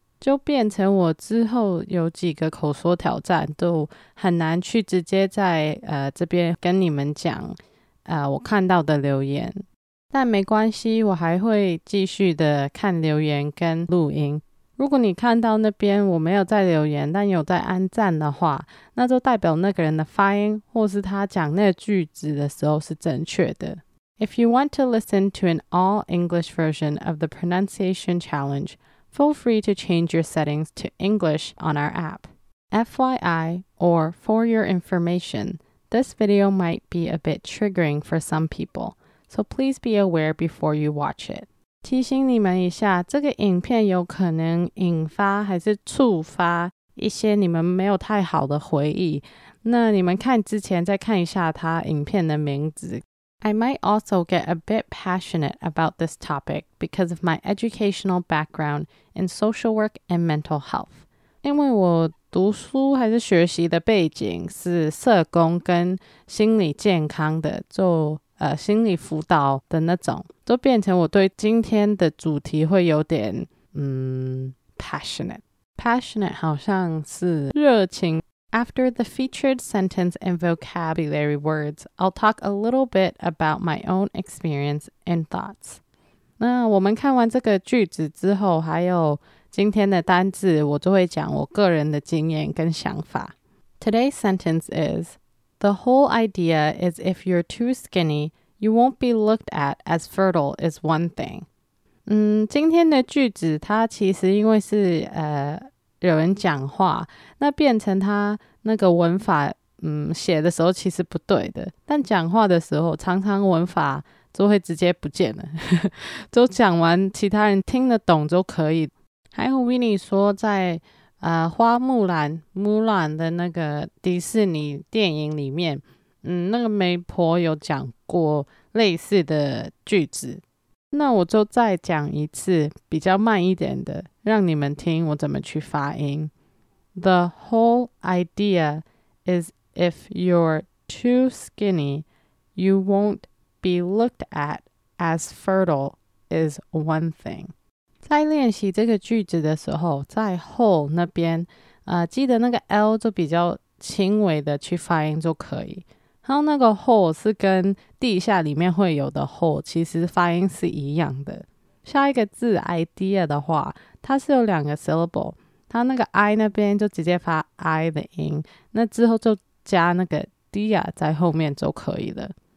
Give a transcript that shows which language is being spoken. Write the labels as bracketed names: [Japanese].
[Chinese] 就变成我之后有几个口说挑战都很难去直接在这边跟你们讲我看到的留言，但没关系，我还会继续的看留言跟录音。如果你看到那边我没有在留言但有在按赞的话，那就代表那个人的发音或是他讲那个句子的时候是正确的。 [English] If you want to listen to an all English version of the pronunciation challengeFeel free to change your settings to English on our app. FYI, or for your information, this video might be a bit triggering for some people, so please be aware before you watch it. [Chinese] 提醒你们一下，这个影片有可能引发还是触发一些你们没有太好的回忆，那你们看之前再看一下它影片的名字。 [English] I might also get a bit passionate about this topic because of my educational background in social work and mental health. [Chinese] 因为我读书还是学习的背景是社工跟心理健康的，做心理辅导的那种，就变成我对今天的主题会有点passionate. Passionate 好像是热情。 [English] After the featured sentence and vocabulary words, I'll talk a little bit about my own experience and thoughts. [Chinese] 那我们看完这个句子之后，还有今天的单字，我就会讲我个人的经验跟想法。 [English] Today's sentence is, The whole idea is if you're too skinny, you won't be looked at as fertile is one thing. [Chinese] 今天的句子它其实因为是有人讲话，那变成他那个文法写的时候其实不对的，但讲话的时候常常文法就会直接不见了就讲完其他人听得懂就可以。还有 Winnie 说在花木兰 Mulan 的那个迪士尼电影里面那个媒婆有讲过类似的句子，那我就再讲一次比较慢一点的，让你们听我怎么去发音。 [English] The whole idea is if you're too skinny, you won't be looked at as fertile is one thing. [Chinese] 在练习这个句子的时候，在 whole 那边记得那个 L 就比较轻微的去发音就可以，然后那个 whole 是跟地下里面会有的 whole 其实发音是一样的。下一个字 idea 的话，它是有两个 syllable， 它那个 i 那边就直接发 i 的音，那之后就加那个 dia 在后面就可以了。